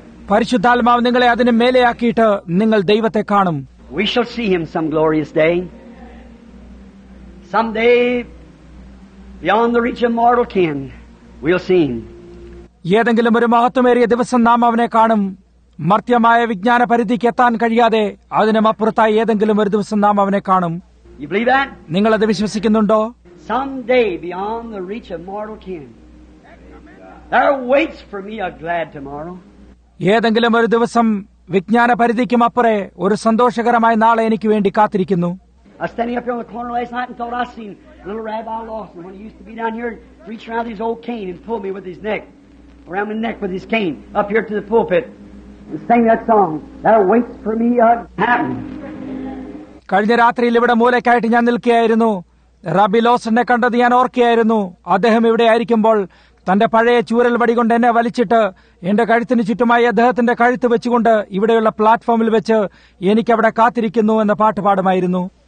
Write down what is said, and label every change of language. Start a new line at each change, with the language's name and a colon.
Malayalam: പരിശുദ്ധാത്മാവ് നിങ്ങളെ അതിനു മേലെയാക്കിയിട്ട് നിങ്ങൾ ദൈവത്തെ കാണും.
English: We shall see him some glorious day. Someday, beyond the reach of mortal ken, we'll see him.
Malayalam: ഏതെങ്കിലും ഒരു മഹത്വമേറിയ ദിവസം നാം അവനെ കാണും. മർത്യമായ വിജ്ഞാന പരിധിക്ക് എത്താൻ കഴിയാതെ അതിനും അപ്പുറത്തായി ഏതെങ്കിലും ഒരു ദിവസം നാം അവനെ കാണും.
English: You believe that?
Malayalam: നിങ്ങൾ അത് വിശ്വസിക്കുന്നുണ്ടോ?
English: Someday beyond the reach of mortal ken, there waits for me a glad tomorrow.
Malayalam: ഏതെങ്കിലും ഒരു ദിവസം വിജ്ഞാന പരിധിക്കും അപ്പുറേ ഒരു സന്തോഷകരമായ നാളെ എനിക്ക് വേണ്ടി കാത്തിരിക്കുന്നു.
English: I was standing up here on the corner last night and thought I seen little Rabbi Lawson when he used to be down here, reach around his old cane and pull me with his neck, around the neck with his cane, up here to the pulpit and sing that song. That waits for me to happen.
Malayalam: കഴിഞ്ഞ രാത്രിയിൽ ഇവിടെ മൂലക്കായിട്ട് ഞാൻ നിൽക്കുകയായിരുന്നു. റബി ലോസനെ കണ്ടത് ഞാൻ ഓർക്കുകയായിരുന്നു. അദ്ദേഹം ഇവിടെയായിരിക്കുമ്പോൾ തന്റെ പഴയ ചൂരൽ വടി കൊണ്ട് എന്നെ വലിച്ചിട്ട് എന്റെ കഴുത്തിന് ചുറ്റുമായി അദ്ദേഹത്തിന്റെ കഴുത്ത് വെച്ചുകൊണ്ട് ഇവിടെയുള്ള പ്ലാറ്റ്ഫോമിൽ വെച്ച് എനിക്ക് അവിടെ കാത്തിരിക്കുന്നു എന്ന പാട്ട് പാടുമായിരുന്നു.